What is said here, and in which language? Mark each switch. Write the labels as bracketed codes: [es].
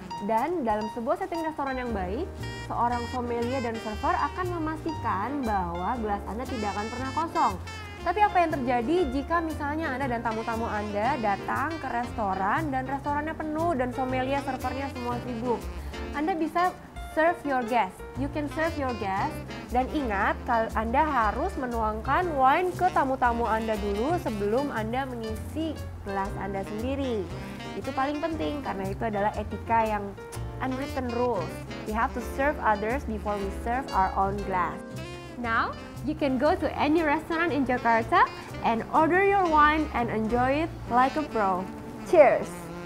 [id] Dan dalam sebuah setting restoran yang baik, seorang sommelier dan server akan memastikan bahwa gelas Anda tidak akan pernah kosong. Tapi apa yang terjadi jika misalnya Anda dan tamu-tamu Anda datang ke restoran dan restorannya penuh dan sommelier servernya semua sibuk? Anda bisa [en] serve your guest. You can serve your guest. [id] Dan ingat, Anda harus menuangkan wine ke tamu-tamu Anda dulu sebelum Anda mengisi gelas Anda sendiri. Itu paling penting karena itu adalah etika yang [en] unwritten rules. We have to serve others before we serve our own glass. Now, you can go to any restaurant in Jakarta and order your wine and enjoy it like a pro. Cheers!